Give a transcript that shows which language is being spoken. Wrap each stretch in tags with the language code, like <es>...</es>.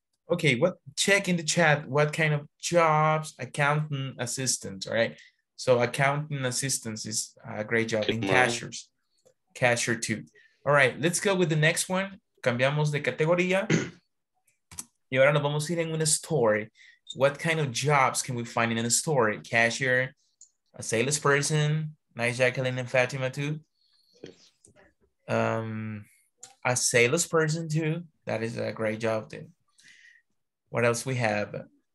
<en>Okay, what check in the chat what kind of jobs, accountant assistant, all right? So accountant assistants is a great job. Good in morning. Cashiers. Cashier too. All right, let's go with the next one.</en> <es>Cambiamos de categoría. Y ahora nos vamos a ir en una store.</es> <en>What kind of jobs can we find in a store? Cashier, a salesperson. Nice, Jacqueline and Fatima too. A salesperson too. That is a great job too. What else we have?</en>